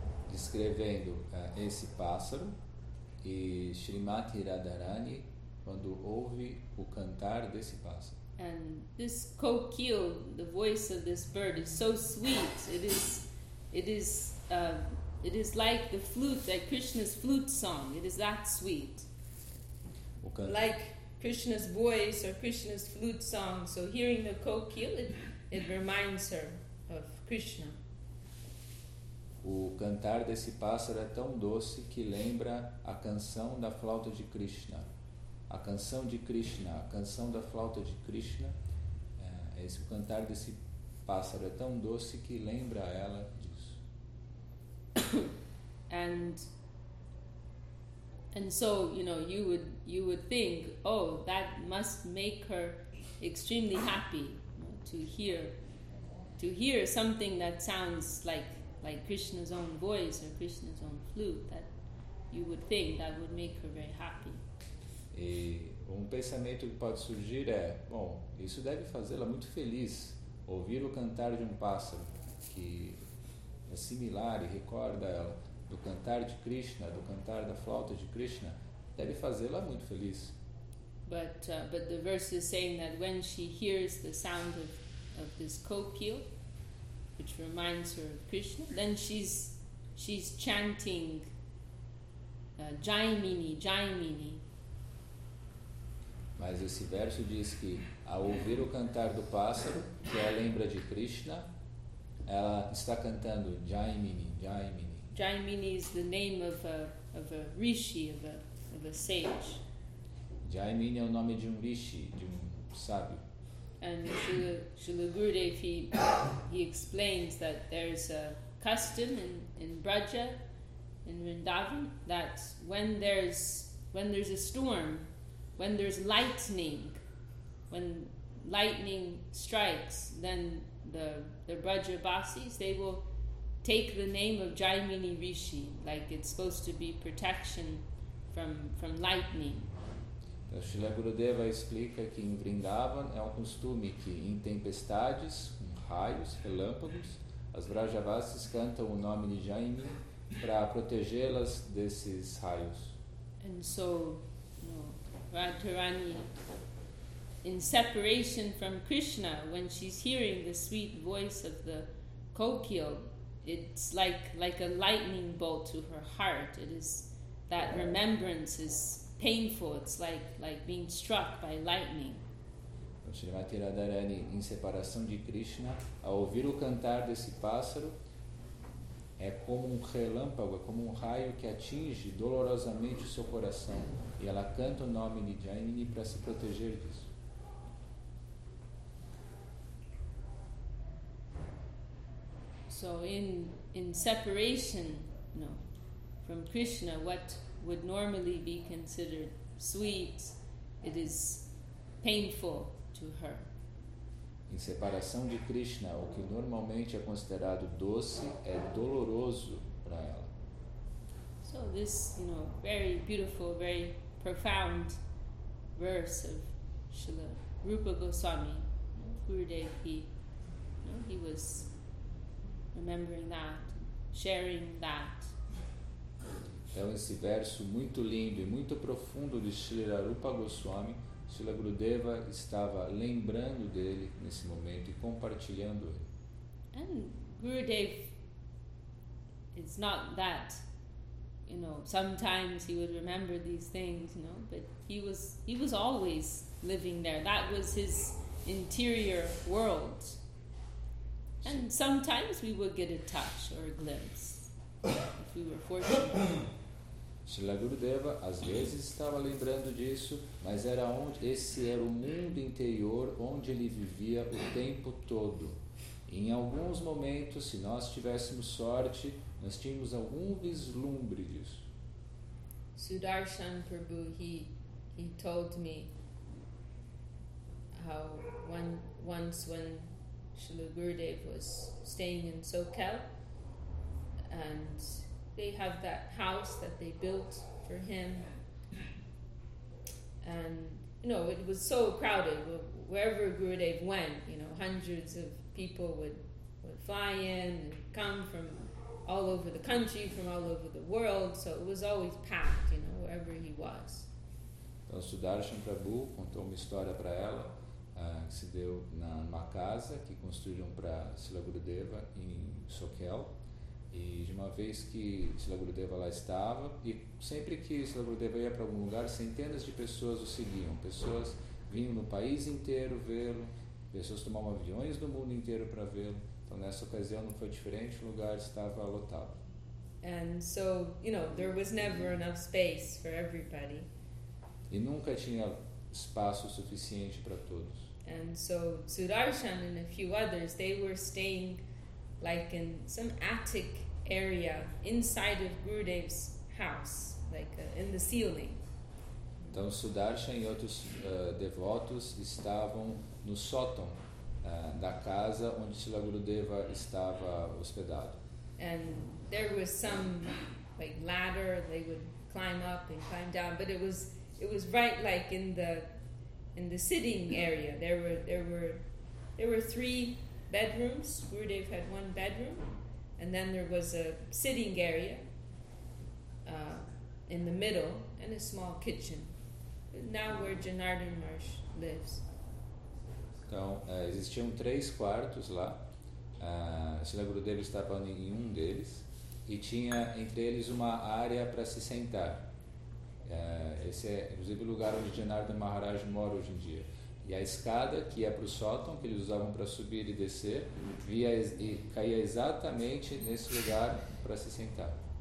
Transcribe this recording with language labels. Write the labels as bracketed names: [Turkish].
[Portuguese] Descrevendo esse pássaro e Srimati Radharani quando ouve o cantar desse pássaro. [English] And this kokil, the voice of this bird, is so sweet. It is like the flute, like Krishna's flute song. It is that sweet. Okay. Like Krishna's voice or Krishna's flute song. So hearing the kokil, it reminds her of Krishna. [Portuguese] O cantar desse pássaro é tão doce que lembra a canção da flauta de Krishna. A canção de Krishna, a canção da flauta de Krishna, o cantar desse pássaro é tão doce que lembra ela disso. [English] And so, you know, you would think, oh, that must make her extremely happy to hear something that sounds like Krishna's own voice or Krishna's own flute. That you would think that would make her very happy. [Portuguese] E um pensamento que pode surgir é, bom, isso deve fazê-la muito feliz, ouvir o cantar de um pássaro que é similar e recorda ela do cantar de Krishna, do cantar da flauta de Krishna, deve fazê-la muito feliz. [English] But the verse is saying that when she hears the sound of this kokil, which reminds her of Krishna, then she's chanting Jaimini, Jaimini. [Portuguese] Mas esse verso diz que ao ouvir o cantar do pássaro, que ela lembra de Krishna, ela está cantando Jaimini, Jaimini. [English] Jaimini is the name of a rishi, of a sage. [Portuguese] Jaimini é o nome de um rishi, de um sábio. [English] And Srila Gurudev, he explains that there's a custom in Braja, in Vrindavan, that when there's a storm, when there's lightning, when lightning strikes, then the Braja Basis, they will take the name of Jaimini Rishi, like it's supposed to be protection from lightning. [Portuguese] Então, Srila Gurudeva explica que em Vrindavan é um costume que em tempestades, com raios, relâmpagos, as Vrajavasis cantam o nome de Jaimini para protegê-las desses raios. [English] And so, Radharani, in separation from Krishna, when she's hearing the sweet voice of the Kokil, it's like a lightning bolt to her heart. It is that remembrance is painful. It's like being struck by lightning. [Portuguese] Srimati Radharani, em separação de Krishna, ao ouvir o cantar desse pássaro, é como um relâmpago, é como um raio que atinge dolorosamente o seu coração. E ela canta o nome de Jaimini para se proteger disso. [English] So in separation, from Krishna, what would normally be considered sweet, it is painful to her. [Portuguese] Em separação de Krishna, o que normalmente é considerado doce é doloroso para ela. [English] So this, very beautiful, very profound verse of Srila Rupa Goswami, Gurudev, he was remembering that, sharing that. [Portuguese] Então, esse verso muito lindo e muito profundo de Srila Rupa Goswami, Srila Gurudeva estava lembrando dele nesse momento e compartilhando ele. [English] And Gurudev, it's not that, sometimes he would remember these things, but he was always living there. That was his interior world. And sometimes we would get a touch or a glimpse if we were fortunate. [Portuguese] Srila Gurudeva às vezes estava lembrando disso, mas era onde, esse era o mundo interior onde ele vivia o tempo todo. E em alguns momentos, se nós tivéssemos sorte, nós tínhamos algum vislumbre disso. [English] Sudarshan Prabhu, he told me how once when Srila Gurudev was staying in Sokel, and they have that house that they built for him, and it was so crowded. Wherever Gurudev went, hundreds of people would fly in and come from all over the country, from all over the world. So it was always packed, wherever he was. [Portuguese] Então, Sudarshan Prabhu contou uma história para ela que se deu numa casa que construíram para Srila Gurudeva em Sokel. E de uma vez que Srila Gurudeva lá estava, e sempre que Srila Gurudeva ia para algum lugar, centenas de pessoas o seguiam. Pessoas vinham no país inteiro vê-lo, pessoas tomavam aviões do mundo inteiro para vê-lo. Então nessa ocasião não foi diferente, o lugar estava lotado. [English] And so, there was never enough space for everybody. [Portuguese] E nunca tinha espaço suficiente para todos. [English] And so Sudarshan and a few others, they were staying like in some attic area inside of Gurudev's house, in the ceiling. [Portuguese] Então Sudarshan e outros devotos estavam no sótão da casa onde Srila Gurudeva estava hospedado. [English] And there was some ladder they would climb up and climb down, but it was right in the sitting area. There were three bedrooms. Gurudev had one bedroom, and then there was a sitting area in the middle and a small kitchen. Now where Janardhan Marsh lives. [Portuguese] Então, existiam três quartos lá. Srila Gurudev estava em um deles e tinha entre eles uma área para se sentar. Esse é inclusive o lugar onde Janardhan Maharaj mora hoje em dia. E a escada que ia para o sótão, que eles usavam para subir e descer, via e caía exatamente nesse lugar para se sentar.